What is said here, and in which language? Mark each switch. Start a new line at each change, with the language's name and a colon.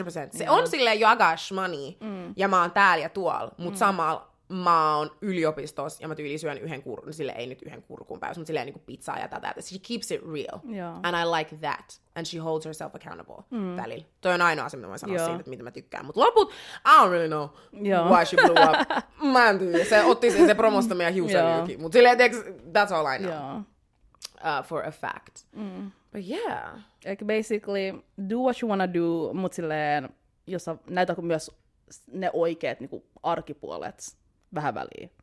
Finnish: Se on silleen,
English: you got cash money,
Finnish: ja mä oon täällä ja tuolla, mutta samalla mä oon yliopistossa, ja mä tyyli syön yhden kurkun, silleen ei nyt yhden kurkun päässä, mutta silleen niin kuin pizzaa ja tätä.
English: She keeps it real. Yeah. And I like that. And she holds herself accountable
Finnish: välillä. Toi on ainoa asia, mitä mä voin sanoa siitä, että mitä mä tykkään. Mutta loput,
English: I don't really know why she blew up.
Finnish: Mä en tyyli. Se otti sen, se promosta meidän hiusenyyki.
English: Mutta silleen, that's all I know. For a fact. But yeah. Like basically, do what you wanna do,
Finnish: mut silleen, jossa näytä myös ne oikeet niinku arkipuolet vähän väliin.